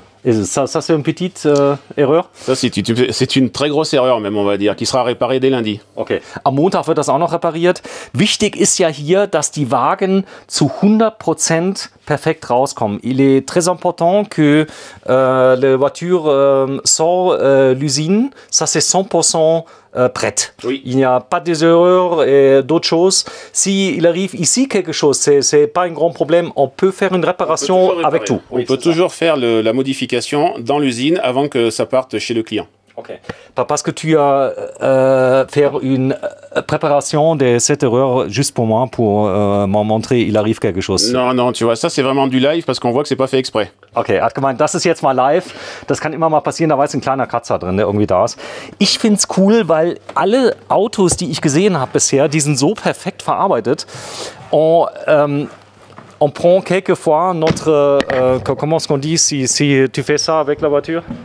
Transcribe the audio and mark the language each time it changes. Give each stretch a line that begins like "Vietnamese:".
French: Et ça c'est une petite erreur. Ça, c'est une très grosse erreur, même, on va dire, qui sera réparée dès lundi. Ok.
German: Am Montag wird das auch noch repariert. Wichtig ist ja hier, dass die Wagen zu 100% perfekt rauskommen.
French: Il est très important que la voiture sort l'usine. Ça, c'est 100% prêt. Oui. Il n'y a pas d'erreurs et d'autres choses. S'il arrive ici quelque chose, ce n'est pas un grand problème. On peut faire une réparation avec tout. On peut toujours faire la modification dans l'usine avant que ça parte chez le client. Ok. Parce que tu as fait une préparation de cette erreur juste pour moi, pour m'en montrer qu'il arrive quelque chose. Non, tu vois, ça c'est vraiment du live parce qu'on voit que ce n'est pas fait exprès.
German: Ok, hat gemeint, das ist jetzt mal live. Das kann immer mal passieren, da war jetzt ein kleiner Kratzer drin, der irgendwie da ist. Ich finde es cool, weil alle Autos, die ich gesehen habe bisher, die sind so perfekt verarbeitet.
French: Und, on prend quelquefois notre. Comment est-ce qu'on dit, si tu fais ça avec la voiture?